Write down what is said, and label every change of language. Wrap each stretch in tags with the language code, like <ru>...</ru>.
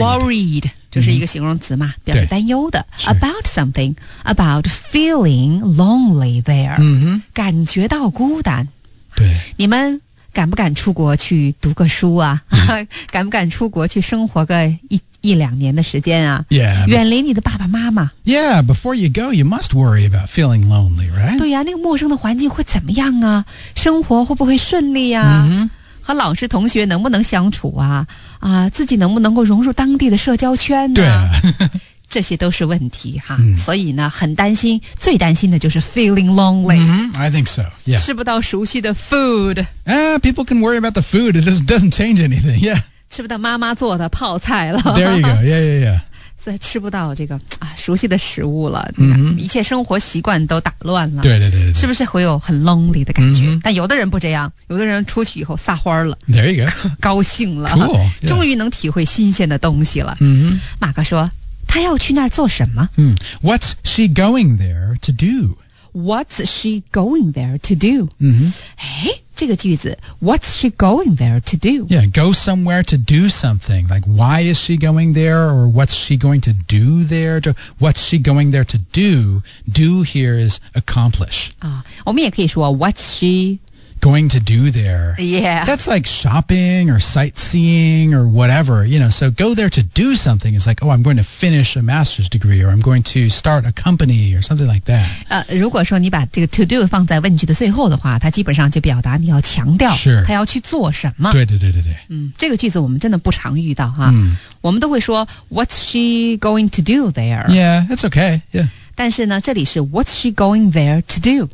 <zh>Worried. 就是一个形容词嘛、mm-hmm. 表示担忧的。</zh> <en>Sure. About something. About feeling lonely there.、 Mm-hmm.</en> <zh>感觉到孤单。对。你们敢不敢出国去读个书啊、</zh> <en>mm-hmm.</en> <zh>敢不敢出国去生活个一两年的时间啊</zh> <en>yeah,</en> <zh>远离你的爸爸妈妈</zh> <en>Yeah, before you go, you must worry about feeling lonely, right?</en> <zh>对呀、啊、那个陌生的环境会怎么样啊生活会不会顺利啊、</zh> <en>mm-hmm.</en> <zh>和老师同学能不能相处啊啊，自己能不能够融入当地的社交圈啊对啊这些都是问题哈、mm-hmm. 所以呢很担心最担心的就是</zh> <en>feeling lonely、 mm-hmm. I think so、yeah.</en> <zh>吃不到熟悉的 food</zh> <en>People can worry about the food It just doesn't change anything, yeah</en> <zh>吃不到妈妈做的泡菜了</zh> <en>There you go, yeah, yeah, yeah</en> <zh>吃不到这个、啊、熟悉的食物了、</zh> <en>mm-hmm.</en> <zh>一切生活习惯都打乱了对对 对, 对, 对是不是会有很 lonely 的感觉、</zh> <en>mm-hmm.</en> <zh>但有的人不这样有的人出去以后撒花了</zh> <en>There you go</en> <zh>高兴了</zh> <en>Cool、yeah.</en> <zh>终于能体会新鲜的东西了、</zh> <en>mm-hmm.</en> <zh>马哥说他要去那儿做什么、</zh> <en>mm-hmm. What's she going there to do? What's she going there to do?、 Mm-hmm.</en> <zh>诶这个句子</zh> <en>What's she going there to do? Yeah, go somewhere to do something Like why is she going there Or what's she going to do there What's she going there to do Do here is accomplish、</en> <zh>我们也可以说</zh> <en>What's she going to do there Yeah That's like shopping or sightseeing Or whatever, you know So go there to do something It's like, oh, I'm going to finish a master's degree Or I'm going to start a company Or something like that</en> <zh>如果说你把这个</zh> <en>to do</en> <zh>放在问句的最后的话它基本上就表达你要强调它要去做什么、 sure. 对对对对、嗯、这个句子我们真的不常遇到、啊</zh> <en>mm.</en> <zh>我们都会说</zh> <en>What's she going to do there Yeah, it's okay, yeah</en> <zh>但是呢，这里是</zh> <en>What's she going there to do？</en>